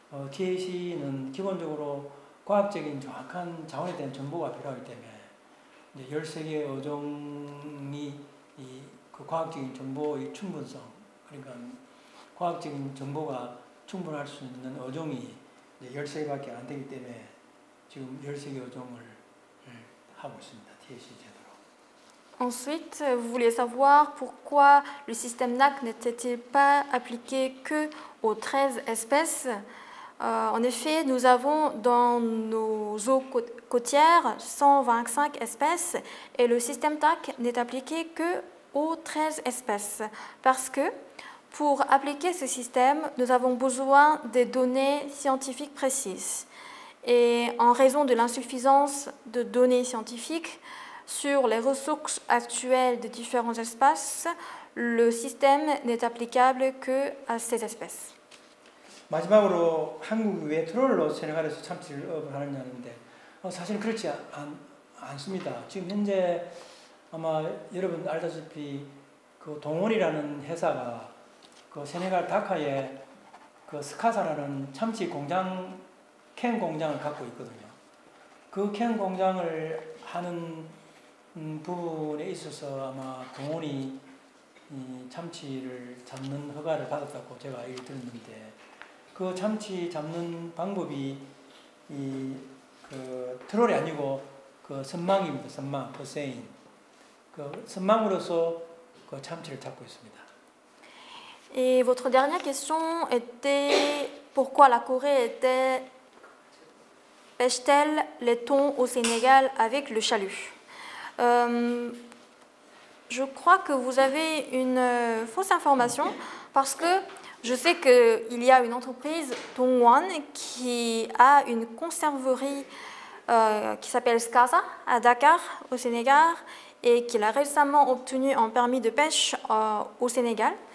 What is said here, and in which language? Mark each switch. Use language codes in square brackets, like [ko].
[ko] TAC는 기본적으로 과학적인 정확한 자원에 대한 정보가 필요하기 때문에 13개 어종이 그 과학적인 정보의 충분성, 그러니까 과학적인 정보가 충분할 수 있는 어종이 13개밖에 안 되기 때문에 지금 13개 어종을 하고 있습니다. TAC 제도로. [fr] Ensuite, vous voulez savoir pourquoi le système NAC n'était-il pas appliqué que aux 13 espèces? En effet, nous avons dans nos eaux côtières 125 espèces et le système TAC n'est appliqué que aux 13 espèces. Parce que pour appliquer ce système, nous avons besoin des données scientifiques précises. Et en raison de l'insuffisance de données scientifiques sur les ressources actuelles des différents espaces, le système n'est applicable que à ces espèces. [ko] 마지막으로 한국 외 트롤로 세네갈에서 참치를 어업을 하느냐는데 사실은 그렇지 않습니다. 지금 현재 아마 여러분 알다시피 그 동원이라는 회사가 그 세네갈 다카에 그 스카사라는 참치 공장 캔 공장을 갖고 있거든요. 그 캔 공장을 하는 부분에 있어서 아마 동원이 참치를 잡는 허가를 받았다고 제가 얘기를 들었는데 그 참치 잡는 방법이 이 그 트롤이 아니고 그 선망입니다. 선망, 포세인. 그 선망으로서 그 참치를 잡고 있습니다. [fr] Et votre dernière question était pourquoi la Corée pêche-t-elle les thons au Sénégal avec le chalut? Je crois que vous avez une fausse information parce que je sais qu'il y a une entreprise, Tongwan, qui a une conserverie qui s'appelle Skaza, à Dakar, au Sénégal, et qu'il a récemment obtenu un permis de pêche au Sénégal.